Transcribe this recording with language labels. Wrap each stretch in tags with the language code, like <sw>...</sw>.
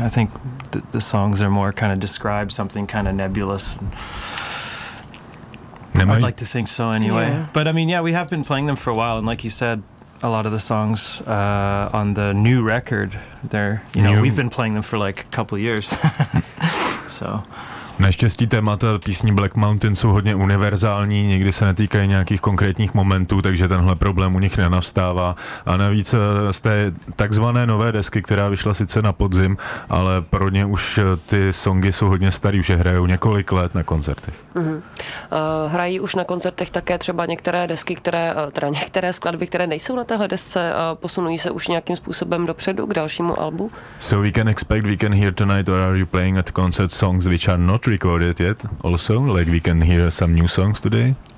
<en>I think the songs are more kind of describe something kind of nebulous and, I'd like to think so anyway. Yeah. But I mean, yeah, we have been playing them for a while. And like you said, a lot of the songs on the new record, they're, we've been playing them for like a couple of years. So.</en> <cs>Naštěstí témata písní Black Mountain jsou hodně univerzální, nikdy se netýkají nějakých konkrétních momentů, takže tenhle problém u nich nenavstává. A navíc z té takzvané nové desky, která vyšla sice na podzim, ale pro ně už ty songy jsou hodně starý, už je hrajou několik let na koncertech. Mm-hmm. Hrají už na koncertech také třeba některé desky, některé skladby, které nejsou na téhle desce, posunují se už nějakým způsobem dopředu k dalšímu albu?</cs> <en>So we can expect, we can hear tonight, or are you playing at concert songs which are not recorded yet also, like we can hear some new songs today?</en>